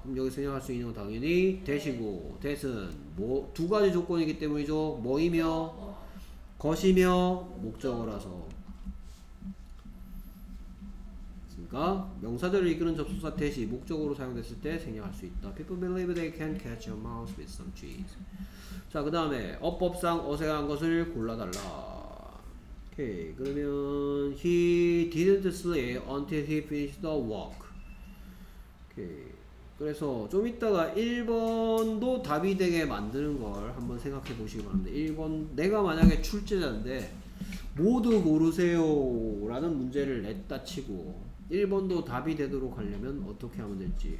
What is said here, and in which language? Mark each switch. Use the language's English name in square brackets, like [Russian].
[Korean] 그럼 여기서 생각할 수 있는 건 당연히 that이고 that은 뭐, 두 가지 조건이기 때문이죠. 뭐이며, 것이며, 목적어라서. 그러니까 명사절을 이끄는 접속사 대시 목적으로 사용됐을 때 생략할 수 있다. [English] People believe they can catch a mouse with some cheese. [Korean] 자, 그 다음에 어법상 어색한 것을 골라달라. 오케이. [English] 그러면 he didn't sleep until he finished the walk. [Korean] 오케이. 그래서 좀 이따가 1번도 답이 되게 만드는 걸 한번 생각해 보시기 바랍니다. 1번 내가 만약에 출제자인데 모두 모르세요 라는 문제를 냈다 치고 1번도 답이 되도록 하려면 어떻게 하면 될지.